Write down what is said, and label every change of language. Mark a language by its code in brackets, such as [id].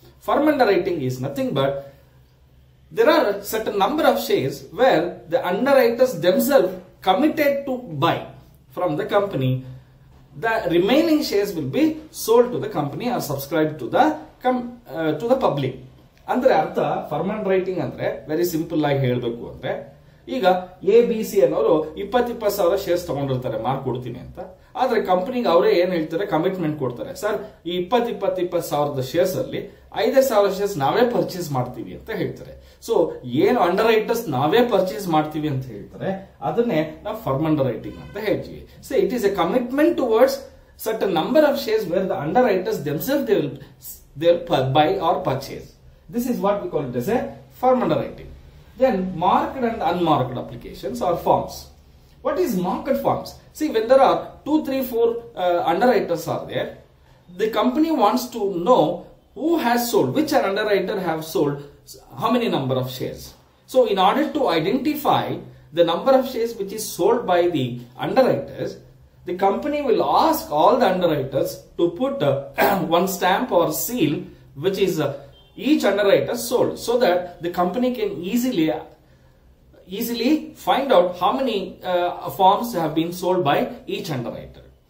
[en] Firm underwriting is nothing but there are a certain number of shares where the underwriters themselves committed to buy from the company. The remaining shares will be sold to the company or subscribed to the to the public. [kn] Andre artha firm underwriting andre [en] very simple [kn] like helbeku andre ಈಗ A B C ಅನ್ನೋರು 20,000 shares ತಗೊಂಡಿರ್ತಾರೆ mark ಕೊಡ್ತೀನಿ ಅಂತ. ಆದ್ರೆ ಕಂಪನಿಗೆ ಅವರೇ ಏನ್ ಹೇಳ್ತಾರೆ, commitment ಕೊಡ್ತಾರೆ, ಸರ್ ಈ 20,000 ಶೇರ್ಸ್ ಅಲ್ಲಿ 5,000 ಶೇರ್ಸ್ ನಾವೇ ಪರ್ಚೇಸ್ ಮಾಡ್ತೀವಿ ಅಂತ ಹೇಳ್ತಾರೆ. ಸೊ ಏನು ಅಂಡರ್ ರೈಟರ್ಸ್ ನಾವೇ ಪರ್ಚೇಸ್ ಮಾಡ್ತೀವಿ ಅಂತ ಹೇಳ್ತಾರೆ, ಅದನ್ನೇ ನಾವು ಫರ್ಮ್ ಅಂಡರ್ ರೈಟಿಂಗ್ ಅಂತ ಹೇಳ್ತೀವಿ. [en] So it is a commitment towards certain number of shares where the underwriters themselves they'll buy or purchase. This is what we call it as a firm underwriting. Then marked and unmarked applications or forms. What is marked forms? See, when there are 2, 3, 4 underwriters are there, the company wants to know who has sold, which an underwriter have sold, how many number of shares. So in order to identify the number of shares which is sold by the underwriters, the company will ask all the underwriters to put one stamp or seal which is each underwriter sold, so that the company can easily find out how many forms have been sold by each underwriter.